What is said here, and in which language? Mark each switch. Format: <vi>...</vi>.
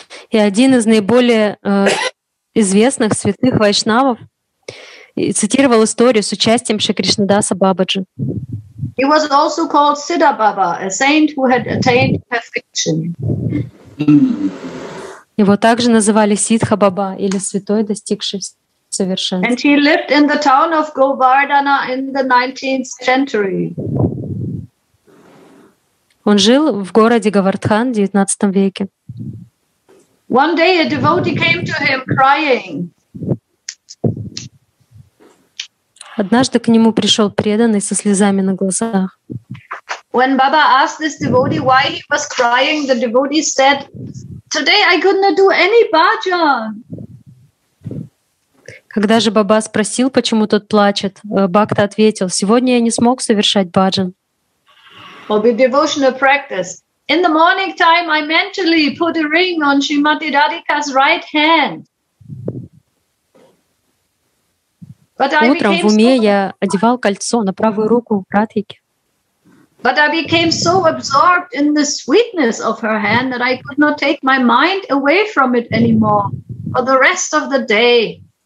<ru>И один из наиболее известных святых вайшнавов цитировал историю с участием Шри Кришнадаса Бабаджи.</ru> <en>He was also called Siddha Baba, a saint who had attained perfection.</en> <ru>Его также называли Сидха Баба или святой, достигший совершенства.</ru> <en>And he lived in the town of Govardhana in the 19th century.</en> <ru>Он жил в городе Говардхан в 19 веке.</ru> <en>One day a devotee came to him crying.</en> <ru>Однажды к нему пришел преданный со слезами на глазах.</ru> <en>When Baba asked this devotee why he was crying, the devotee said, "Today I could not do any bhajan."</en> <ru>Когда же Баба спросил, почему тот плачет, Бхакта ответил, сегодня я не смог совершать бхаджан.</ru> <en>For the devotional practice. In the morning time I mentally put a ring on Srimati Radhika's right hand.</en> <ru>Утром в уме я одевал кольцо на правую руку Радхики.</ru> <en>But I became so absorbed in the sweetness of her hand that I could not take my mind away from it anymore for the rest of the day.</en>